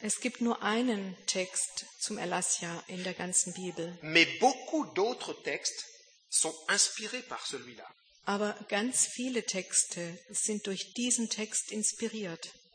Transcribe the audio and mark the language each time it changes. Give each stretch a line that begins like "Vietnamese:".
German: Es gibt nur einen Text zum Erlassjahr in der ganzen Bibel.
French: Mais beaucoup d'autres textes sont inspirés par celui-là.
German: Aber ganz viele Texte sind durch diesen Text inspiriert.